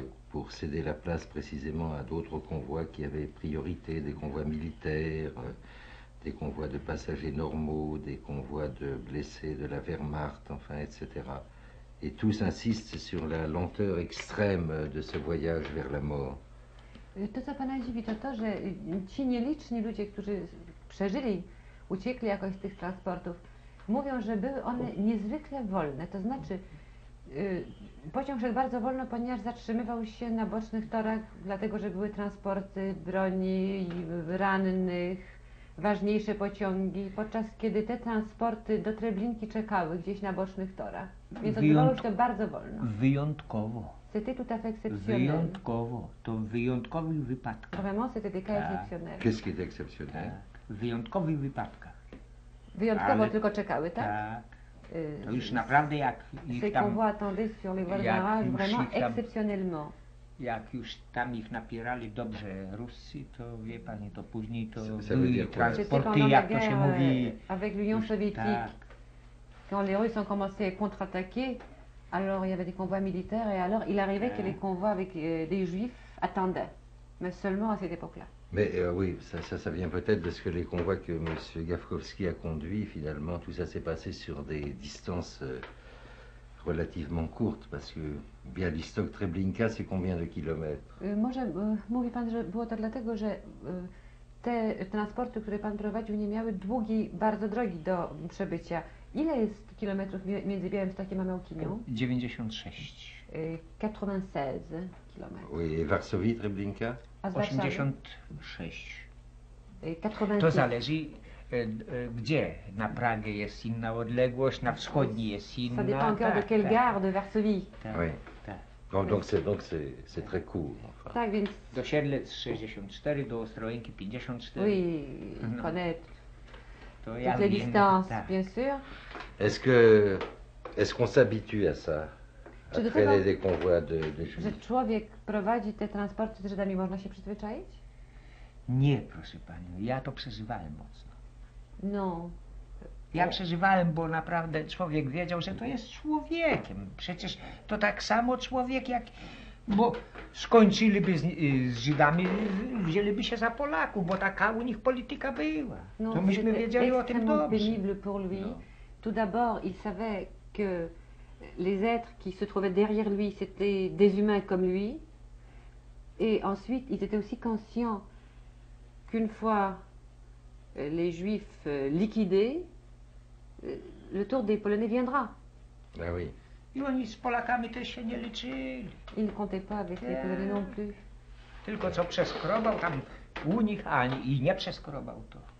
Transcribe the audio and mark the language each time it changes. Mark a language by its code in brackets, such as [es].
[fr] pour céder la place précisément à d'autres convois qui avaient priorité, des convois militaires, des convois de passagers normaux, des convois de blessés de la Wehrmacht, enfin, etc. Et tous insistent sur la lenteur extrême de ce voyage vers la mort. [pl] To, co pana dziwi, to to, że ci nieliczni ludzie, którzy przeżyli, uciekli jakoś z tych transportów, mówią, że były one niezwykle wolne. To znaczy, pociąg szedł bardzo wolno, ponieważ zatrzymywał się na bocznych torach, dlatego że były transporty broni, rannych, ważniejsze pociągi, podczas kiedy te transporty do Treblinki czekały gdzieś na bocznych torach. Więc odbywało się to bardzo wolno. Wyjątkowo. Wyjątkowo, to wyjątkowy wypadek. [fr] Vraiment, c'était des cas exceptionnels. Qu'est-ce qui est exceptionnel? [pl] Wyjątkowy wypadek. Wyjątkowo tylko czekały, tak? To już naprawdę jak ich tam... [fr] Ces convois attendaient sur les voies de barrage, vraiment exceptionnellement. [pl] Jak już tam ich napierali dobrze Rusi, to wie pani, to później to były transporty, jak to się mówi... [fr] Avec l'Union Soviétique, quand les Russes ont commencé à contre-attaquer, alors il y avait des convois militaires et alors il arrivait que les convois avec des juifs attendaient, mais seulement à cette époque-là. Mais oui, ça vient peut-être parce que les convois que M. Gavkovski a conduits, finalement, tout ça s'est passé sur des distances relativement courtes, parce que Bialystok-Treblinka, c'est combien de kilomètres? [pl] Może mówi pan, że było to dlatego, że te transporty, które pan prowadził, nie miały długiej, bardzo drogi do przebycia. Ile jest kilometrów między Białymstokiem a Małkinią? 96. 96 kilometrów. [fr] Oui, et Varsovie, Treblinka? [pl] 86. 86. To zależy, gdzie. Na Pragę jest inna odległość, na wschodniej jest inna. [fr] Ça dépend encore de quelle gare de Varsovie. [pl] Tak. [fr] Oui. Donc c'est très court. Enfin. [pl] Tak, więc... Do Siedlec 64, do Ostrołęki 54. [fr] Oui, connaître. Toutes les distances, bien sûr. Est-ce qu'on s'habitue à ça, à traîner des convois de juifs? [pl] Że człowiek prowadzi te transporty z Żydami, można się przyzwyczaić? Nie, proszę panią, ja to przeżywałem mocno. No. Ja przeżywałem, bo naprawdę człowiek wiedział, że to jest człowiekiem. Przecież to tak samo człowiek jak... Bo skończyliby z Żydami, wzięliby się za Polaków, bo taka u nich polityka była. No, to myśmy wiedzieli o tym dobrze. [fr] Pénible pour lui. No. Tout d'abord, il savait que les êtres qui se trouvaient derrière lui, c'était des humains comme lui. Et ensuite, ils étaient aussi conscients qu'une fois les Juifs liquidés, le tour des Polonais viendra. Ah oui. [pl] I oni z Polakami też się nie liczyli. [fr] Il ne comptait pas avec les Polonais non plus. [pl] Tylko co przeskrobał tam u nich, a nie, i nie przeskrobał to.